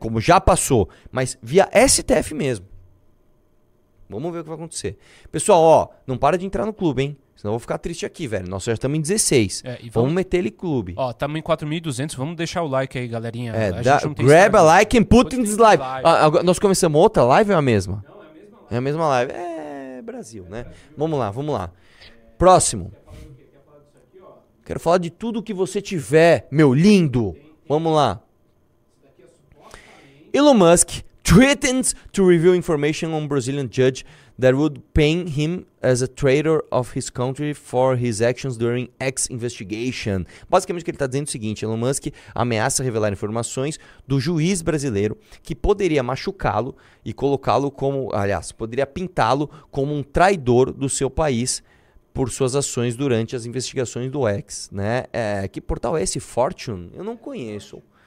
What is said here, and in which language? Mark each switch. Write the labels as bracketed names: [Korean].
[Portuguese] Como já passou, mas via STF mesmo. Vamos ver o que vai acontecer. Pessoal, ó, não para de entrar no clube, hein? Senão eu vou ficar triste aqui, velho. Nós já estamos em 16. Vamos meter ele clube. Ó, estamos em 4.200. Vamos deixar o like aí, galerinha. [English] É, grab a like and put in this live. [Portuguese] Nós começamos outra live ou é a mesma? Não, é a mesma live. É a mesma live. É Brasil, né? Vamos lá. Próximo. Quero falar de tudo que você tiver, meu lindo. Vamos lá. [English] Elon Musk threatens to reveal information on Brazilian judge that would paint him as a traitor of his country for his actions during ex-investigation. [Portuguese] Basicamente, o que ele está dizendo é o seguinte. Elon Musk ameaça revelar informações do juiz brasileiro que poderia machucá-lo e colocá-lo como... Aliás, poderia pintá-lo como um traidor do seu país por suas ações durante as investigações do ex. Né? Que portal é esse? Fortune? Eu não conheço.